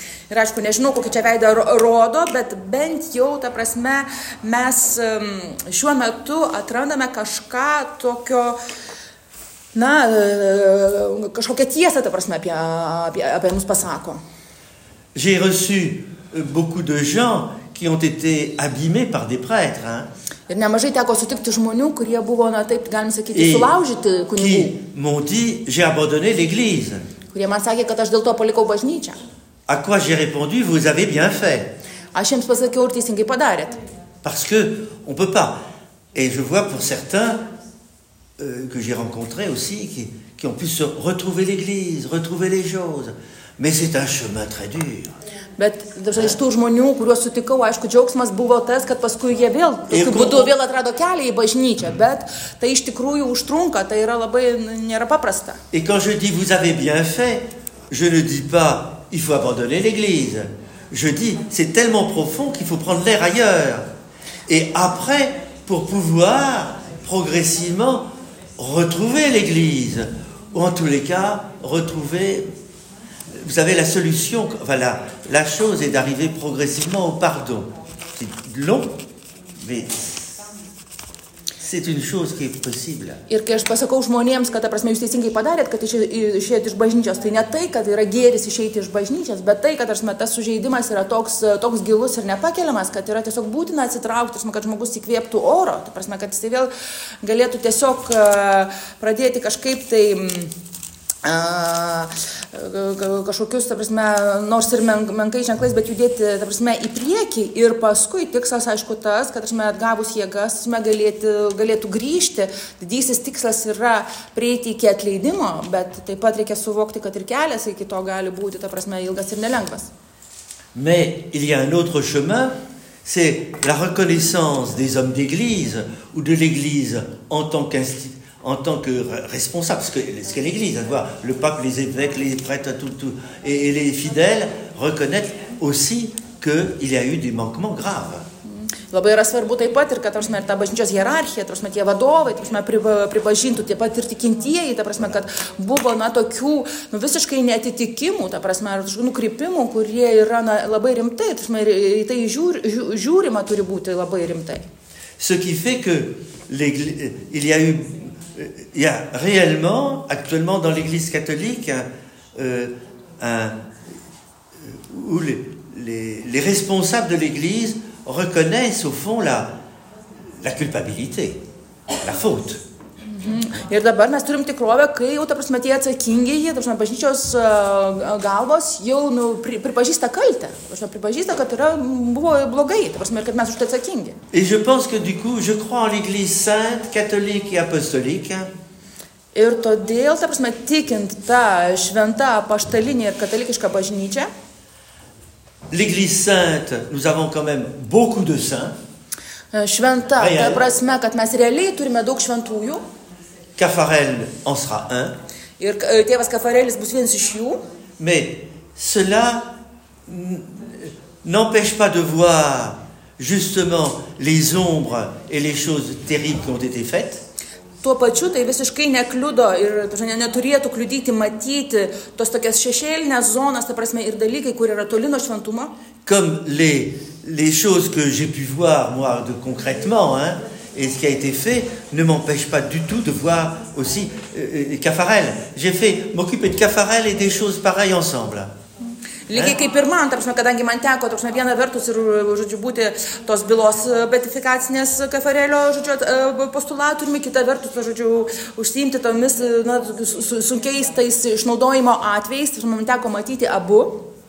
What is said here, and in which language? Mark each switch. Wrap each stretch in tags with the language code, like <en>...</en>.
<lt>Ir aišku, nežinau, kokį čia veidą rodo, bet bent jau, ta prasme, mes šiuo metu atrandame kažką tokio, na, kažkokią tiesą, ta prasme, apie mus pasako.</lt> <fr>J'ai reçu beaucoup de gens qui ont été abîmés par des prêtres.</fr> <lt>Ir nemažai teko sutikti žmonių, kurie buvo, na, taip, galim sakyti, sulaužyti kunigų.</lt> <fr>Qui m'ont dit, j'ai abandonné l'église.</fr> <lt>Kurie man sakė, kad aš dėl to palikau bažnyčią.</lt> <fr>À quoi j'ai répondu, vous avez bien fait.</fr> <lt>Aš jiems pasakiau, ir teisingai padarėt.</lt> <fr>Parce que on peut pas. Et je vois pour certains que j'ai rencontrés aussi, qui ont pu se retrouver l'église, retrouver les choses. Mais c'est un chemin très dur.</fr> <lt>Bet iš tų žmonių, kuriuos sutikau, aišku, džiaugsmas buvo tas, kad paskui jie vėl, tokiu būdu vėl atrado kelią į bažnyčią. Bet tai iš tikrųjų užtrunka, tai yra labai, nėra paprasta.</lt> <fr>Et quand je dis, vous avez bien fait, je ne dis pas, il faut abandonner l'église. Je dis, c'est tellement profond qu'il faut prendre l'air ailleurs. Et après, pour pouvoir progressivement retrouver l'église, ou en tous les cas, retrouver, vous savez, la solution, enfin, la chose est d'arriver progressivement au pardon. C'est long, mais C'est une chose qui est possible.</fr> <lt>Ir kai aš pasakau žmonėms, kad, prasme, jūs teisingai padarėt, kad išėjot iš bažnyčios, tai ne tai, kad yra gėris išėjot iš bažnyčios, bet tai, kad, prasme, tas sužeidimas yra toks gilus ir nepakeliamas, kad yra tiesiog būtina atsitraukti, prasme, kad žmogus įkvėptų oro, tai, prasme, kad jis vėl galėtų tiesiog pradėti kažkaip tai... kažkokius, ta prasme, nors ir menkai ženklais, bet judėti, ta prasme, į priekį ir paskui tikslas, aišku, tas, kad, ta prasme, atgavus jėgas, ta prasme, galėtų grįžti. Didysis tikslas yra prieiti iki atleidimo, bet taip pat reikia suvokti, kad ir kelias iki to gali būti, ta prasme, ilgas ir nelengvas.</lt> <fr>Mais il y a un autre chemin, c'est la reconnaissance des hommes d'église ou de l'église en tant qu'institution. En tant que responsable, ce qu'est l'Église, à voir, le pape, les évêques, les prêtres, tout et les fidèles reconnaître aussi qu'il y a eu des manquements graves.</fr> <lt>Labai yra svarbu taip pat ir kad, prasme, ir ta bažnyčios hierarchija, prasme, tie vadovai, prasme, pripažintų taip pat ir tikintieji, ta prasme, kad buvo na tokių nu, visiškai neatitikimų, ta prasme, ar nukrypimų, kurie yra na, labai rimtai, prasme, ir į tai žiūrima turi būti labai rimtai.</lt> <fr>Ce qui fait que il y a eu Il y a réellement, actuellement, dans l'Église catholique, où les responsables de l'Église reconnaissent, au fond, la culpabilité, la faute.</fr> <lt>Ir dabar mes turim tikrovę, kai jau, ta prasme, tie atsakingieji, ta prasme, bažnyčios galvos jau nu, pripažįsta kaltę. Ta prasme, pripažįsta, kad yra buvo blogai, ta prasme, ir kad mes už tai atsakingi.</lt> <fr>Et je pense que du coup, je crois en l'Église sainte, catholique et apostolique.</fr> <lt>Ir todėl, ta prasme, tikint tą šventą apaštalinį ir katalikišką bažnyčią.</lt> <fr>L'Église sainte, nous avons quand même beaucoup de saints.</fr> <lt>Šventa, ta prasme, kad mes realiai turime daug šventųjų.</lt> <fr>Caffarel en sera un.</fr> <lt>Ir tėvas Caffarelis bus vienas iš jų.</lt> <fr>Mais cela n'empêche pas de voir justement les ombres et les choses terribles qui ont été faites.</fr> <lt>Tuo pačiu tai visiškai nekliudo ir neturėtų kliudyti matyti tos tokias šešėlinės zonas, ta prasme, ir dalykai, kur yra toli nuo šventumo.</lt> <fr>Comme les choses que j'ai pu voir, moi, de concrètement, hein, et ce qui a été fait, ne m'empêche pas du tout de voir aussi Caffarel. J'ai fait m'occuper de Caffarel et des choses pareilles ensemble.</fr> <lt>Lygiai kaip ir man, tarpsme, kadangi man teko tarpsme, vieną vertus ir žodžiu, būti tos bylos betifikacinės Caffarelio žodžiu, postulatorimi, kitą vertus žodžiu, užsiimti tomis na, sunkiais tais išnaudojimo atvejais, tarpsme, man teko matyti abu.</lt>